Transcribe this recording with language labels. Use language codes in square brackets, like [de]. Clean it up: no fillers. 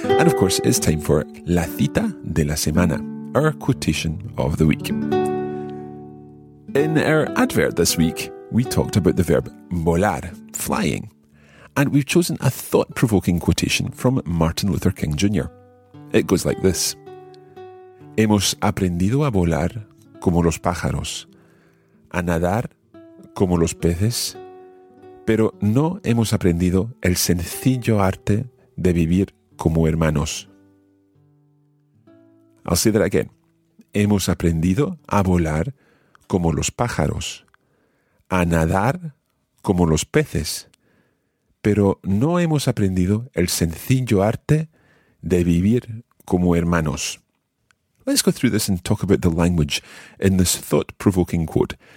[en] And of course, it's time for La Cita de la Semana, our quotation of the week. In our advert this week, we talked about the verb volar, flying, and we've chosen a thought-provoking quotation from Martin Luther King Jr. It goes like this. [es] Hemos aprendido a volar como los pájaros, a nadar como los peces, pero no hemos aprendido el sencillo arte de vivir como hermanos. I'll say that again. Hemos aprendido a volar como los pájaros, a nadar como los peces, pero no hemos aprendido el sencillo arte de vivir como hermanos. [en] Let's go through this and talk about the language in this thought-provoking quote.